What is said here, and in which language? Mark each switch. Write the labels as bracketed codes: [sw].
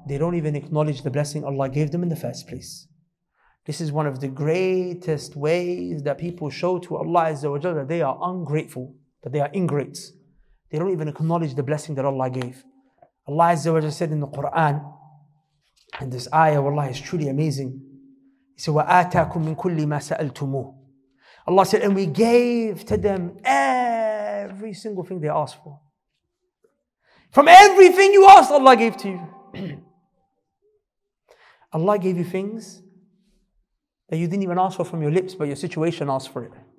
[en] They don't even acknowledge the blessing Allah gave them in the first place. This is one of the greatest ways that people show to Allah Azza wa Jalla that they are ungrateful, that they are ingrates. They don't even acknowledge the blessing that Allah gave. Allah Azza wa Jalla said in the Quran, and this ayah of Allah is truly amazing. [ar] He said, وَآتَاكُم مِّن كُلِّ مَا سَأَلْتُمُوهُ. [en] Allah said, and we gave to them every single thing they asked for. From everything you asked, Allah gave to you. Allah gave you things that you didn't even ask for from your lips, but your situation asked for it.